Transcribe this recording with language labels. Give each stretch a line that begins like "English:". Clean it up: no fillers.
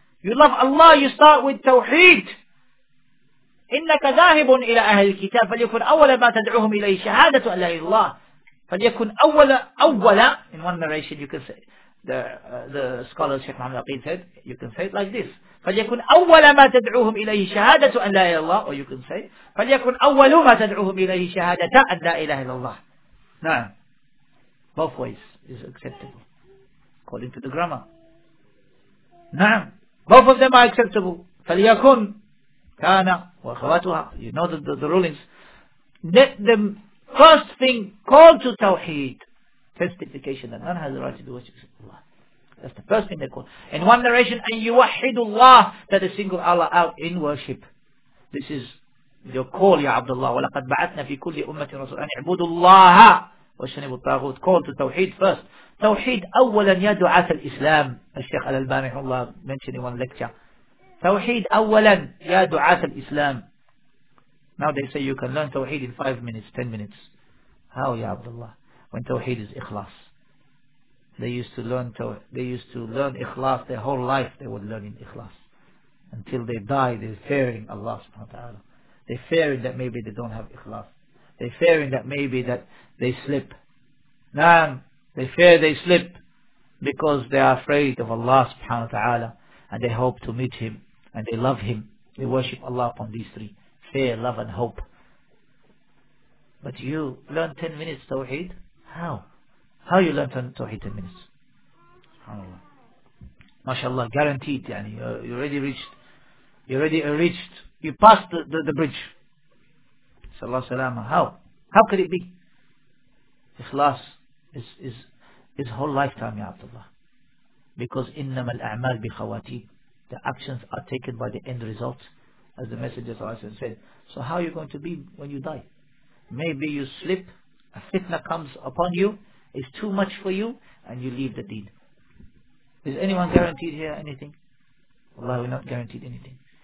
English: You love Allah, you start with Tawheed.
Arabic: إِنَّكَ ذَاهِبٌ إِلَىٰ أَهْلِ الْكِتَابِ فَلْيَكُنْ أَوَّلَ مَا تَدْعُهُمْ إِلَيْهِ شَهَادَةُ أَنْ لَا إِلَىٰ اللَّهِ فَلْيَكُنْ أَوَّلَ.
English: In one narration you can say, the scholar Sheikh Muhammad Aqeed said, you can say it like this.
Arabic: فَلْيَكُنْ أَوَّلَ مَا تَدْعُوهُمْ إِلَيْهِ شَهَادَةُ أَنْ لَا إِلَىٰ اللَّهِ.
English: Or you can say,
Arabic: فَلْيَكُنْ أَوَّلُ مَا تَدْعُوهُمْ إِلَيْهِ شَهَادَةَ أَنْ لَا إِلَىٰ اللَّهِ. نعم.
English: Both ways is acceptable, according to the grammar. Naam. Both of them are acceptable.
Arabic: فَلْيَكُنْ كَانَ وَخَوَاتُهَا.
English: You know the rulings. Let them, first thing, call to Tawheed. Testification that none has the right to do worship except Allah. That's the first thing they call. In one narration,
Arabic: أن يوحد الله,
English: that they single Allah out in worship. This is your call, Ya Abdullah.
Arabic: وَلَقَدْ بَعَثْنَا فِي كُلِّ أُمَّةٍ رَسُولًا أَنْ اعْبُدُوا اللَّهَ وَاجْتَنِبُوا الطَّاغُوتَ.
English: Call to Tawheed first.
Arabic: Tawheed أولاً يا دعاة الإسلام.
English: الشيخ الألباني
Arabic: رحمه الله
English: mentioned in one lecture.
Arabic: Tawheed أولاً يا دعاة الإسلام.
English: Now they say you can learn Tawheed in 5 minutes, 10 minutes. How, Ya Abdullah? When Tawheed is Ikhlas. They used to learn Ikhlas their whole life. They would learn in Ikhlas until they die. They're fearing Allah subhanahu wa ta'ala. They're fearing that maybe they don't have Ikhlas. They're fearing that maybe that they slip. Naam, they fear they slip because they are afraid of Allah subhanahu wa ta'ala, and they hope to meet Him and they love Him. They worship Allah upon these three: fear, love, and hope. But you learn 10 minutes Tawheed? How? How you learn Tawheed 10 minutes? SubhanAllah. MashaAllah, guaranteed. Yani, you already reached. You passed the bridge. Sallallahu alayhi wa sallam. How? How could it be? Ikhlas is whole lifetime, Ya Abdullah. Because
Arabic: إِنَّمَا الْأَعْمَالِ بِخَوَاتِي.
English: The actions are taken by the end result. As the Messenger Sallallahu alayhi wa sallam said. So how are you going to be when you die? Maybe you slip, a fitna comes upon you, it's too much for you, and you leave the deed. Is anyone guaranteed here anything? Allah, we're not guaranteed anything.